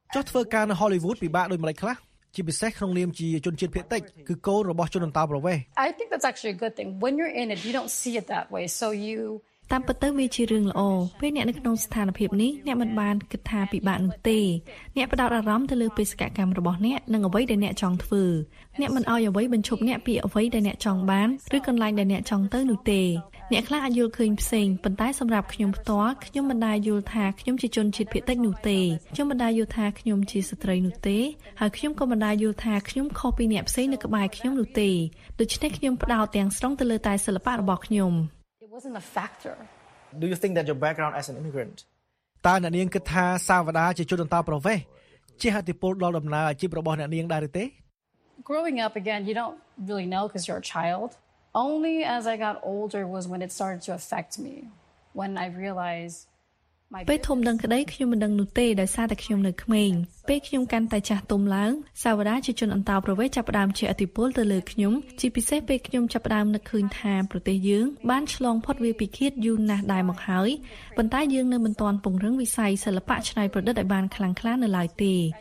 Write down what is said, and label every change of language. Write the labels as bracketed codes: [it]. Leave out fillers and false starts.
[km] ចុះធ្វើការនៅ Hollywood ពិបាកដូចម្ដេចខ្លះជាពិសេសក្នុងនាមជាជនជាតិភាគតិចគឺកូនរបស់ជនអន្តោប្រវេសន៍ [en] I think that's actually a good thing when you're in it you don't see it that way so you [km] តាមពិតទៅវាជារឿងល្អពេលអ្នកនៅក្នុងស្ថានភាពនេះអ្នកមិនបានគិតថាពិបាកនោះទេអ្នកផ្ដោតអារម្មណ៍ទៅលើបេសកកម្មរបស់អ្នកនិងអ្វីដែលអ្នកចង់ធ្វើអ្នកមិនអោយអ្វីបញ្ឈប់អ្នកពីអ្វីដែលអ្នកចង់បានឬកន្លែងដែលអ្នកចង់ទៅនោះទេអ្នកខ្លះអាចយល់ឃើញផ្សេងប៉ុន្តែសម្រាប់ខ្ញុំផ្ទាល់ខ្ញុំមិនដែលយល់ថាខ្ញុំជាជនជាតិភាគតិចនោះទេខ្ញុំមិនដែលយល់ថាខ្ញុំជាស្ត្រីនោះទេហើយខ្ញុំក៏មិនដែលយល់ថាខ្ញុំខុសពីអ្នកផ្សេងនៅក្បែរខ្ញុំនោះទេដូច្នេះខ្ញុំផ្ដោតទាំងស្រុងទៅលើតែសិល្បៈរបស់ខ្ញុំ [en] It wasn't a factor. Do you think that your background as an immigrant? [km] តើអ្នកនាងគិតថាសាវតាជាជនអន្តោប្រវេសន៍ជាឥទ្ធិពលដល់ដំណើរអាជីពរបស់អ្នកនាងដែរឬទេ [en] Growing up again, you don't really know because you're a child. Only as I got older was when it started to affect me when I realized my [km] ពេលធំដឹងក្តីខ្ញុំមិនដឹងនោះទេដោយសារតែខ្ញុំនៅក្មេងពេលខ្ញុំកាន់តែចាស់ទុំឡើងសាវតាជាជនអន្តោប្រវេសន៍ចាប់ផ្ដើមជាឥទ្ធិពលទៅលើខ្ញុំជាពិសេសពេលខ្ញុំចាប់ផ្ដើមនឹកឃើញថាប្រទេសយើងបានឆ្លងផុតវាលពិឃាតយូរណាស់ដែរមកហើយប៉ុន្តែយើងនៅមិនទាន់ពង្រឹងវិស័យសិល្បៈច្នៃប្រឌិតឲ្យបានខ្លាំងក្លានៅឡើយទេ